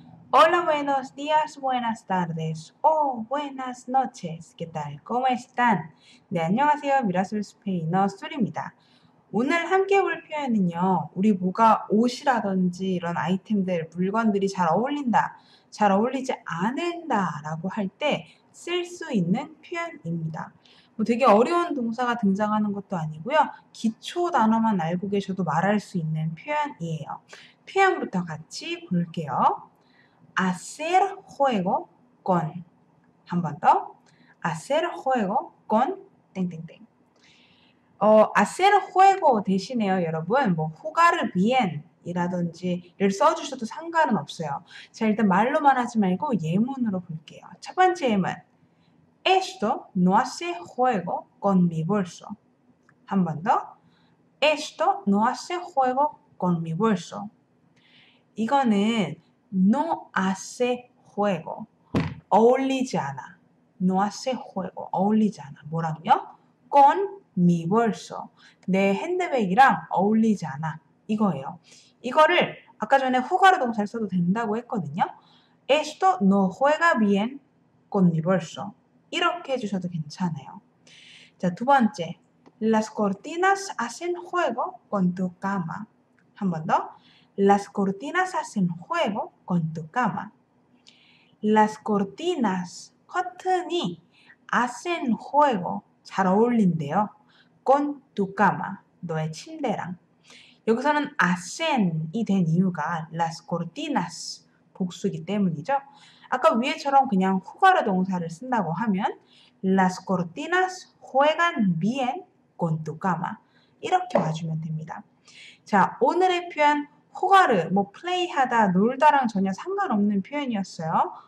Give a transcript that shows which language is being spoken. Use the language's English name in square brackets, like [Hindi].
[Spanish] Hola, buenos días, buenas tardes o buenas noches. ¿Qué tal? ¿Cómo están? [Korean] 네, 안녕하세요. 미라솔 스페인어 수리입니다. 오늘 함께 볼 표현은요. 우리 뭐가 옷이라든지 이런 아이템들, 물건들이 잘 어울린다, 잘 어울리지 않는다라고 할때쓸수 있는 표현입니다. 뭐 되게 어려운 동사가 등장하는 것도 아니고요. 기초 단어만 알고 계셔도 말할 수 있는 표현이에요. 표현부터 같이 볼게요. [Spanish] Hacer juego con. [Korean] 한번 더. [Spanish] Hacer juego con. [Korean] 땡땡땡. Hacer juego 대신에요, 여러분. 뭐, [Spanish] jugar bien [Korean] 이라든지 를 써주셔도 상관은 없어요. 자, 일단 말로만 하지 말고 예문으로 볼게요. 첫 번째 예문. [Spanish] Esto no hace juego con mi bolso. [Korean] 한번 더. [Spanish] Esto no hace juego con mi bolso. [Korean] 이거는 [Spanish] No hace juego. [Korean] 어울리지 않아. [Spanish] No hace juego. [Korean] 어울리지 않아. 뭐라고요? [Spanish] Con mi bolso. [Korean] 내 핸드백이랑 어울리지 않아. 이거예요. 이거를 아까 전에 후가로 동사를 써도 된다고 했거든요. [Spanish] Esto no juega bien con mi bolso. [Korean] 이렇게 해주셔도 괜찮아요. 자, 두 번째. [Spanish] Las cortinas hacen juego con tu cama. [Korean] 한 번 더. [Spanish] Las cortinas hacen juego con tu cama. Las cortinas, [Korean] 커튼이 [Spanish] hacen juego, [Korean] 잘 어울린대요. [Spanish] Con tu cama, [Korean] 너의 침대랑. 여기서는 hacen이 된 이유가 las cortinas, 복수이기 때문이죠. 아까 위에처럼 그냥 후가로 동사를 쓴다고 하면 [Spanish] las cortinas juegan bien con tu cama. [Korean] 이렇게 봐주면 됩니다. 자, 오늘의 표현 호가르, 뭐 플레이하다, 놀다랑 전혀 상관없는 표현이었어요.